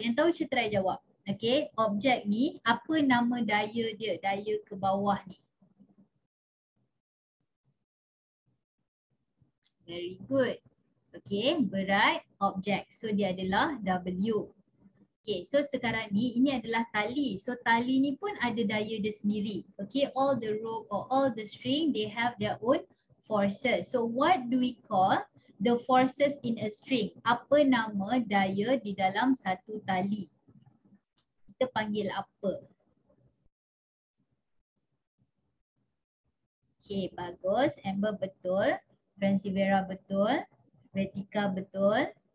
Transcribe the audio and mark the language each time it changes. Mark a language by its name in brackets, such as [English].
[Malay] Yang tahu saya try jawab. Okay, objek ni apa nama daya dia, daya ke bawah ni? [English] Very good. Okay, [Malay] berat objek. So dia adalah W. Okay, so sekarang ni, ini adalah tali. So tali ni pun ada daya dia sendiri. [English] Okay, all the rope or all the string, they have their own forces. So what do we call the forces in a string? [Malay] Apa nama daya di dalam satu tali? Kita panggil apa? Okay, bagus. Amber betul. Transivera betul, Retika betul.